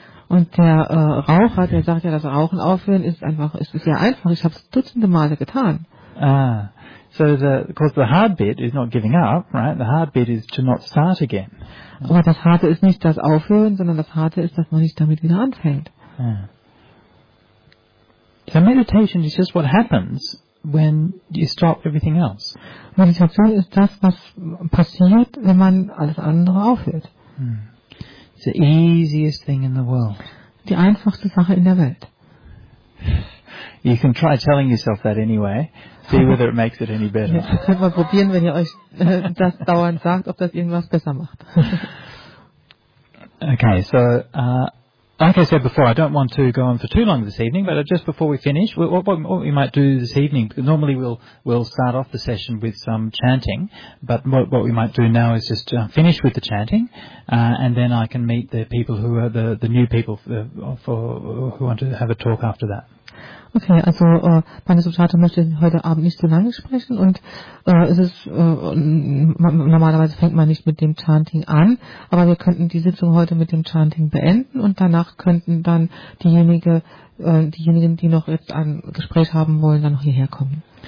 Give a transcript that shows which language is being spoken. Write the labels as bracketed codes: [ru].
[de] Und der Raucher, der sagt ja, das Rauchen aufhören ist sehr einfach. Ich habe es dutzende Male getan. [en] So the hard bit is not giving up, right? The hard bit is to not start again. [de] Aber das Harte ist nicht das Aufhören, sondern das Harte ist, dass man nicht damit wieder anfängt. [en] So meditation is just what happens when you stop everything else. [de] Meditation ist das, was passiert, wenn man alles andere aufhört. [en] It's the easiest thing in the world. [de] Die einfachste Sache in der Welt. [en] You can try telling yourself that anyway. See whether it makes it any better. [de] Jetzt könnt mal probieren, wenn ihr euch das dauernd sagt, ob das irgendwas besser macht. [en] Okay, so like I said before, I don't want to go on for too long this evening, but just before we finish, what we might do this evening, normally we'll start off the session with some chanting, but what we might do now is just finish with the chanting, and then I can meet the people who are the new people who want to have a talk after that. [de] Okay, also meine Substrate möchte heute Abend nicht so lange sprechen und es ist normalerweise fängt man nicht mit dem Chanting an, aber wir könnten die Sitzung heute mit dem Chanting beenden und danach könnten dann diejenigen, die noch jetzt ein Gespräch haben wollen, dann noch hierher kommen.